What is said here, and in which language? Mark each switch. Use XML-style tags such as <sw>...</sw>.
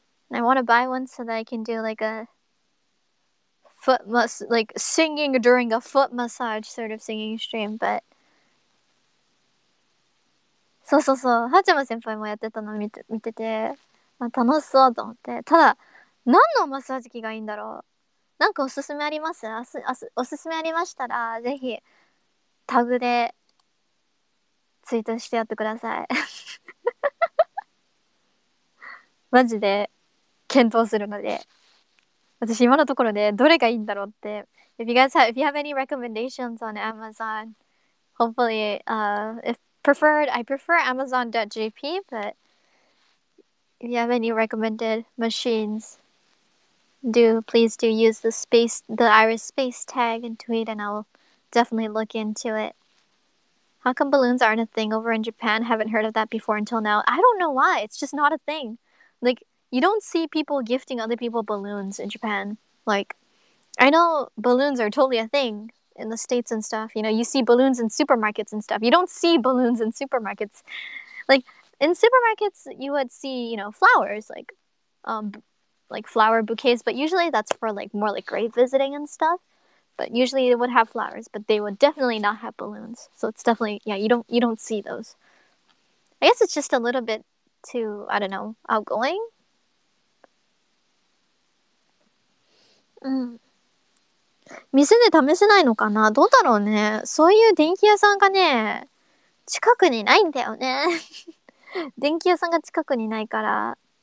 <en>And I want to buy one so that I can do, like, a foot massage, like, singing during a foot massage sort of singing stream. But</en> <ja>そうそうそう、ハチマ先輩もやってたの見てて、まあ、楽しそうと思って。ただ何のマッサージ機がいいんだろう。なんかおすすめあります？おすすめありましたらぜひタグでツイートしてやってください。マジで検討するので、私今のところでどれがいいんだろうって。</ja> <en>If you guys have, if you have any recommendations on Amazon, hopefully, if preferred, I prefer Amazon.jp, but if you have any recommended machines, do please do use the space, the Iris space tag and tweet, and I'll definitely look into it. How come balloons aren't a thing over in Japan? Haven't heard of that before until now. I don't know why. It's just not a thing. Like,You don't see people gifting other people balloons in Japan. Like, I know balloons are totally a thing in the States and stuff. You know, you see balloons in supermarkets and stuff. You don't see balloons in supermarkets. Like, in supermarkets, you would see, you know, flowers, like flower bouquets. But usually that's for, like, more like grave visiting and stuff. But usually they would have flowers, but they would definitely not have balloons. So it's definitely, yeah, you don't see those. I guess it's just a little bit too, I don't know, outgoing.</en> <ja>うん、店で試せないのかな、どうだろうね。そういう電気屋さんがね、近くにないんだよね。電気屋さんが近くにないから。</ja>